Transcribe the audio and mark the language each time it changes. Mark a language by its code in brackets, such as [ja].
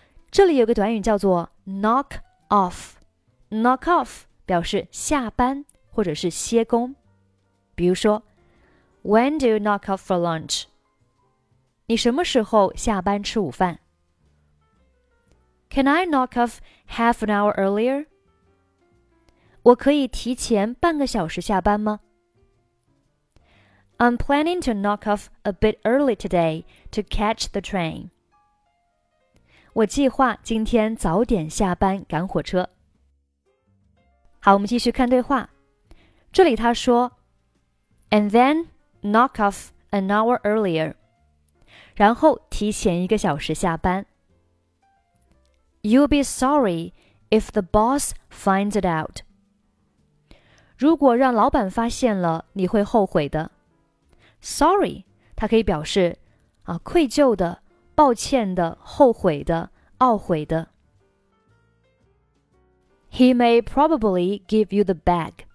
[zh] 这里有个短语叫做 knock off. Knock off 表示下班或者是歇工。比如说 [en] When do you knock off for lunch? [zh] 你什么时候下班吃午饭？ [en] Can I knock off half an hour earlier? [zh] 我可以提前半个小时下班吗？ [en] I'm planning to knock off a bit early today to catch the train. [zh] 我计划今天早点下班赶火车。好，我们继续看对话。这里他说 [en] And then knock off an hour earlier. [zh] 然后提前一个小时下班。 [en] You'll be sorry if the boss finds it out. [zh] 如果让老板发现了，你会后悔的。 [en] Sorry, [zh] 它可以表示啊，愧疚的、抱歉的、后悔的、懊悔的。 [en] He may probably give you the bag.